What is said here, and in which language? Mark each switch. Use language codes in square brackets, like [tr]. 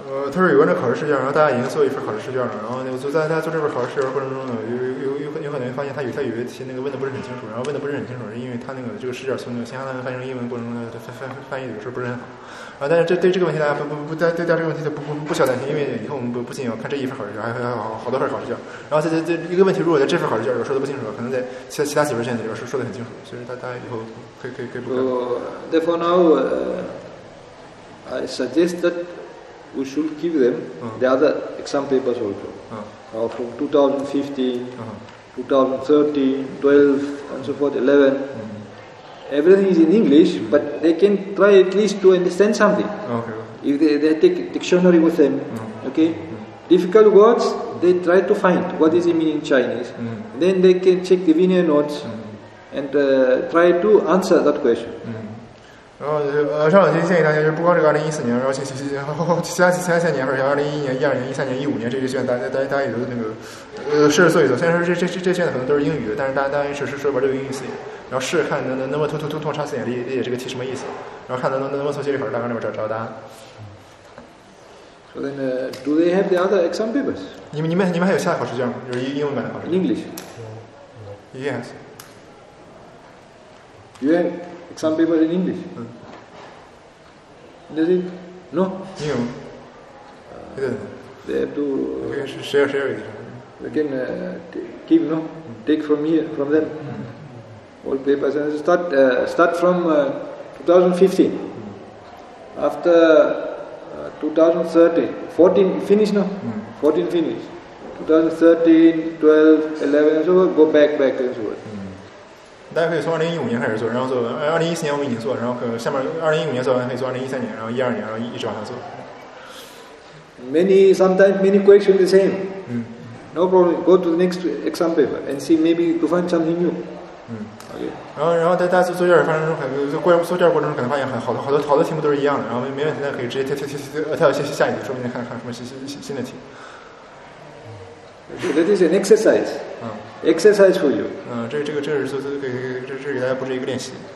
[zh] 他说有关这考试试卷，然后大家已经做一份考试试卷了，然后就在大家做这份考试试卷过程中呢，有可能发现他有些那个问的不是很清楚，然后问的不是很清楚，是因为他那个这个试卷从那个新加坡翻译成英文过程中呢，翻译有时候不是很好。啊，但是这个问题大家不这个问题不需要担心，因为以后我们不仅要看这一份考试卷，还有好多份考试卷。然后这一个问题，如果在这份考试卷里说的不清楚，可能在其他几份卷子里说的很清楚，所以大家以后可以不看。 [en] Therefore now, I suggest that. We should give them the other exam papers also. From 2015, 2013, 12, and so forth, 11. Mm-hmm. Everything is in English, but they can try at least to understand something. Okay. If they take a dictionary with them, okay? Mm-hmm. Difficult words, they try to find what is it mean in Chinese. Mm-hmm. Then they can check the Vinaya notes mm-hmm. and try to answer that question. Mm-hmm. [zh] 然后上两天建议大家，就不光这个2014年，然后其他三年，或者像2011年、2012年、2013年、2015年这些卷，大家也都那个试着做一做。虽然说这卷子可能都是英语，但是大家试把这个英语写，然后试看能不能通查词典，理解这个题什么意思，然后看能不能从心里边大纲里边找答案。 [en] So then, do they have the other exam papers? [zh] 你们还有下考试卷吗？就是英文版的考试卷。 [en] English. Yes. You have. Some people in English. Mm. Does it? No. No. They have to. Okay, share it. They can keep no. Take from here, from them. All papers and start from 2015. After 2013, 14 finish no. 14 finish. 2013, 12, 11. So go back and so on. [zh] 大家可以从2015年开始做，然后做完。2014年我们已经做，然后可下面2015年做完，可以做2013年，然后2012年，然后一直往下做。 [en] Many questions the same. 嗯。 No problem. Go to the next exam paper and see maybe to find something new. 嗯。 Okay. [zh] 然后大家做卷儿发生中，做卷儿过程中可能发现好多题目都是一样的，然后没问题，那可以直接跳到下一题，说不定看什么新的题。 [en] That is an exercise. Exercise for you. [zh] 这是给大家布置一个练习。